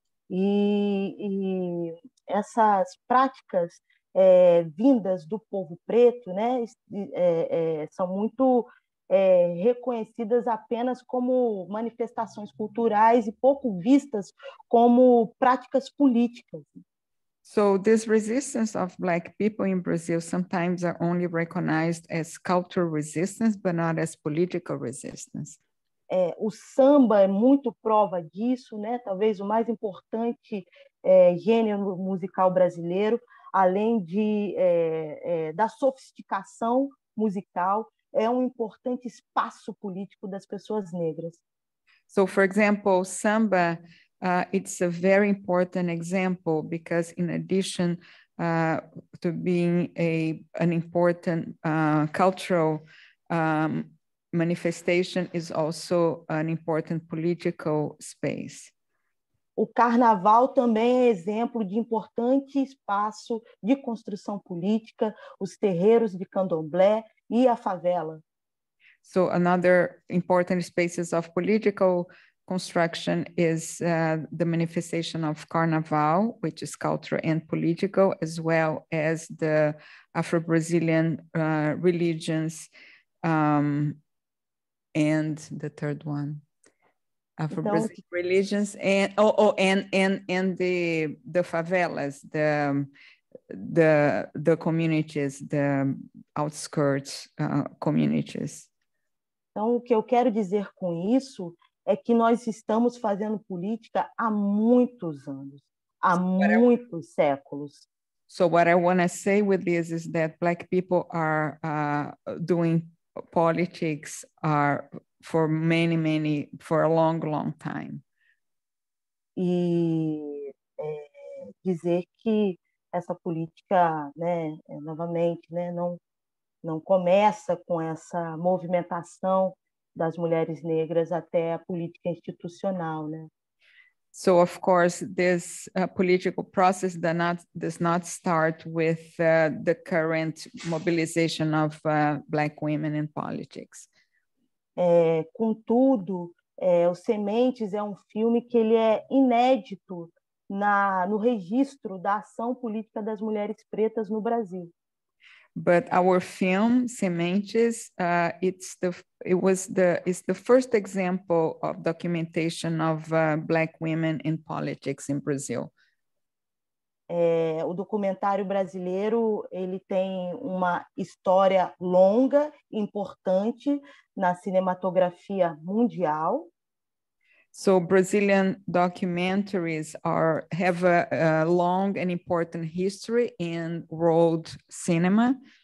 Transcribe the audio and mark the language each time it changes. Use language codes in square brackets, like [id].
[pt] E essas práticas vindas do povo preto, né, são muito reconhecidas apenas como manifestações culturais e pouco vistas como práticas políticas. [en] So this resistance of Black people in Brazil sometimes are only recognized as cultural resistance, but not as political resistance. [pt] O samba é muito prova disso, né? Talvez o mais importante gênero musical brasileiro, além de da sofisticação musical, é um importante espaço político das pessoas negras. [en] So, for example, samba, it's a very important example because in addition to being an important cultural manifestation, is also an important political space. [pt] O carnaval também é exemplo de importante espaço de construção política, os terreiros de candomblé e a favela. [en] So another important spaces of political construction is the manifestation of carnaval, which is cultural and political, as well as the Afro-Brazilian religions and the third one. Afro-Brazilian religions and the favelas, the communities, the outskirts communities. [pt] Então, o que eu quero dizer com isso é que nós estamos fazendo política há muitos anos, há muitos séculos. [en] So what I want to say with this is that Black people are doing politics are for many, many, for a long, long time. [pt] E dizer que essa política, né, novamente, né, não começa com essa movimentação das mulheres negras até a política institucional, né? [en] So, of course, this political process does not start with the current mobilization of Black women in politics. [pt] Contudo, o Sementes é um filme que ele é inédito no registro da ação política das mulheres pretas no Brasil. [en] But our film, Sementes, it's the first example of documentation of Black women in politics in Brazil. [pt] O documentário brasileiro, ele tem uma história longa, importante na cinematografia mundial. [en] So Brazilian documentaries have a long and important history in world cinema.